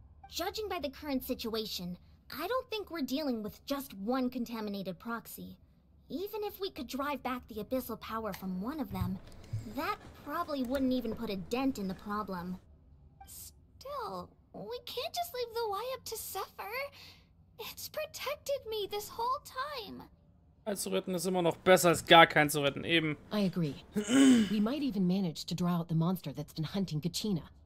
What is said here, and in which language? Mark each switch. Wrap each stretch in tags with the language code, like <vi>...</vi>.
<en>Judging by the current situation, I don't think we're dealing with just one contaminated proxy. Even if we could drive back the abyssal power from one of them, that probably wouldn't even put a dent in the problem. Still, we can't just leave the Y-Up to suffer. It's protected me this whole time.</en> <de>Ein zu retten ist immer noch besser als gar kein zu retten, eben.</de> <en>I agree. We might even manage to draw out the monster that's been hunting Kachina.</en>